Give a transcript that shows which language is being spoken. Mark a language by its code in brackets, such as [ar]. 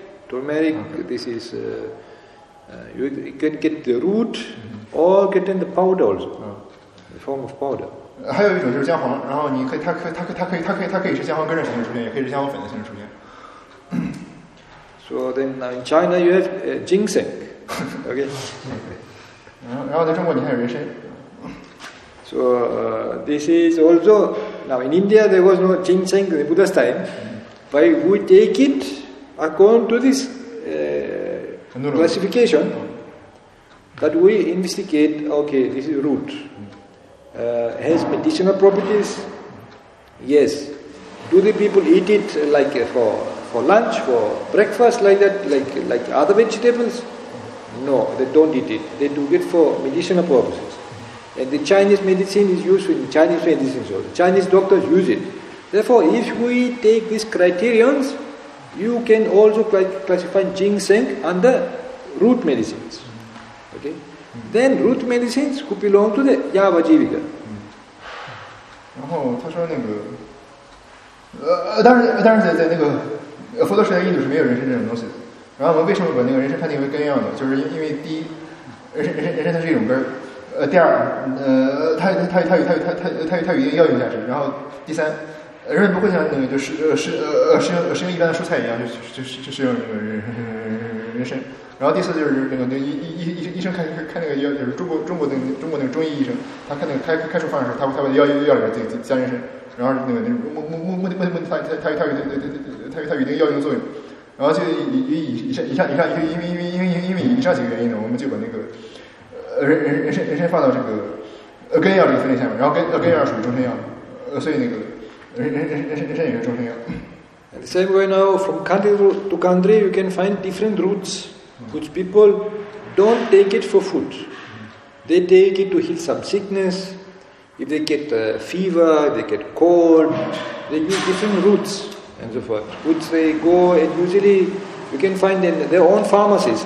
[en] Turmeric, this is, you can get the root or get in the powder also, the form of powder. [zh] 还有一种就是姜黄，然后你可以，它可以是姜黄根的形式出现，也可以是姜黄粉的形式出现。 [en] So then in China you have ginseng, okay? [zh] 然后在中国你还有人参。 [en] So this is also, now in India there was no ginseng in the Buddha's time, but we take it,According to this classification, that we investigate, okay, this is root. Has medicinal properties? Yes. Do the people eat it like for lunch, for breakfast, like that, like other vegetables? No, they don't eat it. They do it for medicinal purposes. And the Chinese medicine is used in Chinese medicine, so Chinese doctors use it. Therefore, if we take these criterions,You can also classify ginseng under root medicines. Okay? Then root medicines could belong to the Yava Jivika. [zh] 然后他说那个，当然在那个佛陀时代，印度是没有人参这种东西的。然后我们为什么把那个人参判定为根药呢？就是因为第一，人参它是一种根儿。第二，它有一定药用价值。然后第三。人不会像那个就是食用一般的蔬菜一样就食用那个人参。然后第四就是那个医生看那个药，就是中国那个中医医生，他看那个开处方的时候，他会在药里边加人参，然后那个目的他有一定药用作用，然后就以上几个原因呢，我们就把那个人参放到这个根药这个分类下面，然后根药属于终身药，所以那个人参也是终身药。 [en] The same way now, from country to country, you can find different roots, which people don't take it for food. They take it to heal some sickness. If they get a fever, they get cold, they use different roots and so forth, which they go and usually you can find in their own pharmacies.